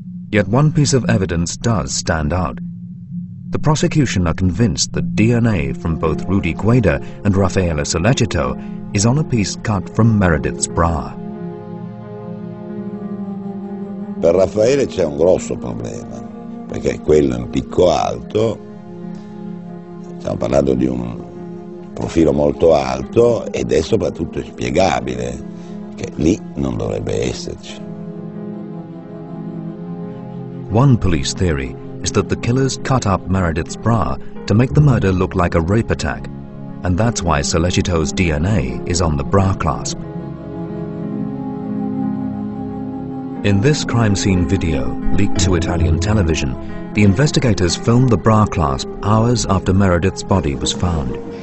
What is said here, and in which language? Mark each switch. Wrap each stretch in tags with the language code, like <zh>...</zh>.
<en>Yet one piece of evidence does stand out. The prosecution are convinced that DNA from both Rudy Guida and Raffaella Salecito is on a piece cut from Meredith's bra.</en> <it>Per Raffaele c'è un grosso problema, perché quello è un picco alto, stiamo parlando di un profilo molto alto, ed è soprattutto inspiegabile, che lì non dovrebbe esserci.</it> <en>One police theory is that the killers cut up Meredith's bra to make the murder look like a rape attack, and that's why Salecito's DNA is on the bra clasp. In this crime scene video, leaked to Italian television, the investigators filmed the bra clasp hours after Meredith's body was found.</en>